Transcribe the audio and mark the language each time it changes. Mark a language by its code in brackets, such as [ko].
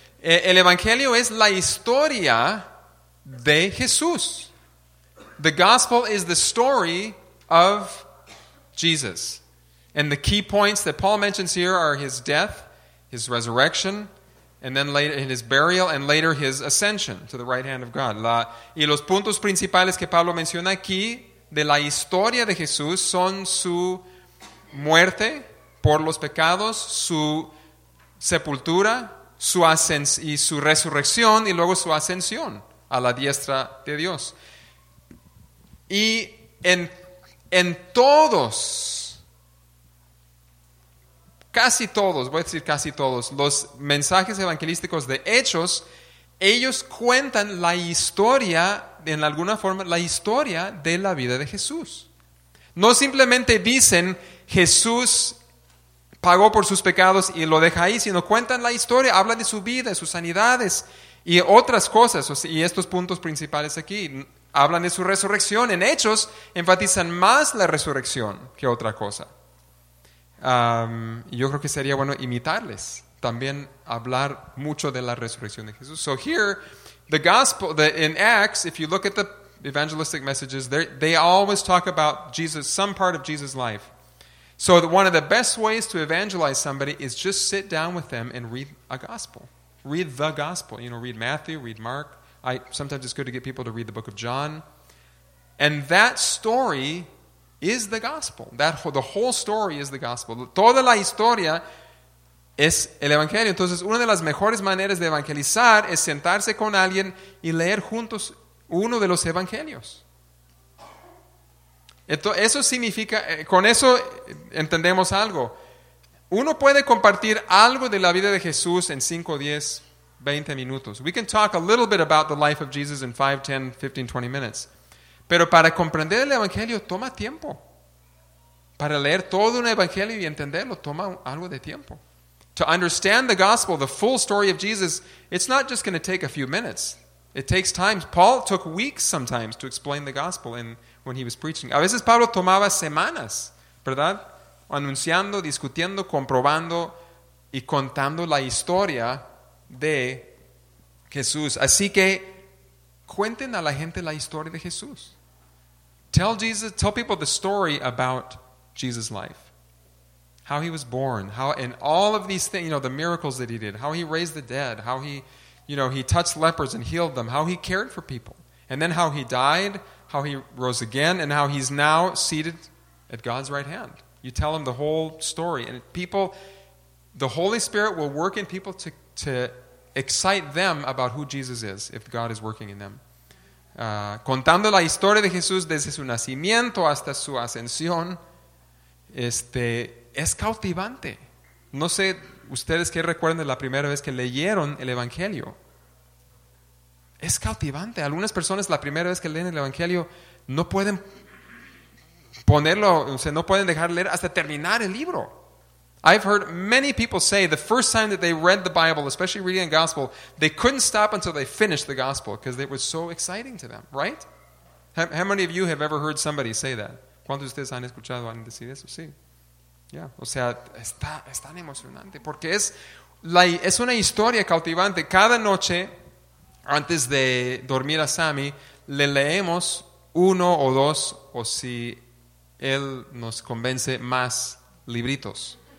[es] El Evangelio es la historia... de Jesús. [en] The gospel is the story of Jesus. And the key points that Paul mentions here are his death, his resurrection, and then later his burial, and later his ascension to the right hand of God. [es] Y los puntos principales que Pablo menciona aquí de la historia de Jesús son su muerte por los pecados, su sepultura, su ascensión y luego su ascensión. a la diestra de Dios. Y en todos, casi todos, voy a decir casi todos, los mensajes evangelísticos de Hechos, ellos cuentan la historia, en alguna forma, la historia de la vida de Jesús. No simplemente dicen Jesús pagó por sus pecados y lo deja ahí, sino cuentan la historia, hablan de su vida, sus sanidades y otras cosas. Y estos puntos principales aquí, hablan de su resurrección. En Hechos enfatizan más la resurrección que otra cosa. Yo creo que sería bueno imitarles, también hablar mucho de la resurrección de Jesús. [en] So here, the gospel, in Acts, if you look at the evangelistic messages, they always talk about Jesus, some part of Jesus' life. So one of the best ways to evangelize somebody is just sit down with them and read a gospel. Read the gospel. You know, read Matthew, read Mark. Sometimes it's good to get people to read the book of John. And that story is the gospel. The whole story is the gospel. [es] Toda la historia es el evangelio. Entonces, una de las mejores maneras de evangelizar es sentarse con alguien y leer juntos uno de los evangelios. Eso significa, con eso entendemos algo. Uno puede compartir algo de la vida de Jesús en 5, 10, 20 minutos. [en] We can talk a little bit about the life of Jesus in 5, 10, 15, 20 minutes. [es] Pero para comprender el evangelio toma tiempo. Para leer todo un evangelio y entenderlo toma algo de tiempo. [en] To understand the gospel, the full story of Jesus, it's not just going to take a few minutes. It takes time. Paul took weeks sometimes to explain the gospel when he was preaching. [es] A veces Pablo tomaba semanas, ¿verdad? Anunciando, discutiendo, comprobando y contando la historia de Jesús. Así que cuenten a la gente la historia de Jesús. [en] Tell people the story about Jesus' life. How he was born, how and all of these things, you know, the miracles that he did, how he raised the dead, how he, you know, he touched lepers and healed them, how he cared for people, and then how he died, how he rose again, and how he's now seated at God's right hand. You tell them the whole story, and people, the Holy Spirit will work in people to excite them about who Jesus is, if God is working in them. [es] Contando la historia de Jesús desde su nacimiento hasta su ascensión, es cautivante. No sé ustedes qué recuerdan de la primera vez que leyeron el Evangelio. Es cautivante. Algunas personas la primera vez que leen el Evangelio no pueden ponerlo, o sea, no pueden dejar leer hasta terminar el libro. [en] I've heard many people say the first time that they read the Bible, especially reading the Gospel, they couldn't stop until they finished the Gospel because it was so exciting to them, right? How many of you have ever heard somebody say that? [es] ¿Cuántos de ustedes han escuchado a alguien decir eso? Sí. Yeah. O sea, es tan emocionante porque es una historia cautivante. Cada noche, antes de dormir a Sammy, le leemos uno o dos, o si él nos convence, más libritos.